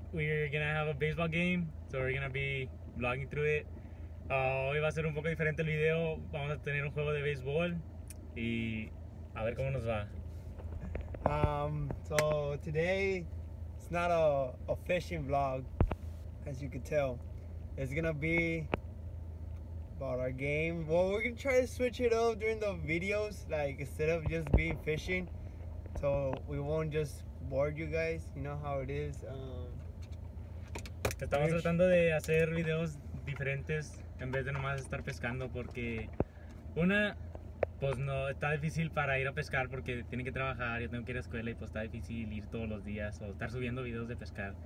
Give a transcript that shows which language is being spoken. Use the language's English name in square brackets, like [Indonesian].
[English] We're gonna have a baseball game, so we're gonna be vlogging through it. [Spanish] Hoy va a ser un poco diferente el video. Vamos a tener un juego de béisbol y a ver cómo nos va. [English] So today it's not a fishing vlog, as you can tell. It's gonna be about our game. Well, we're gonna try to switch it up during the videos, like instead of just being fishing, so we won't just bore you guys. You know how it is. [Spanish] Estamos tratando de hacer videos diferentes en vez de nomás estar pescando, porque una, pues no, está difícil para ir a pescar porque tienen que trabajar, yo tengo que ir a escuela y pues está difícil ir todos los días o estar subiendo videos de pescar.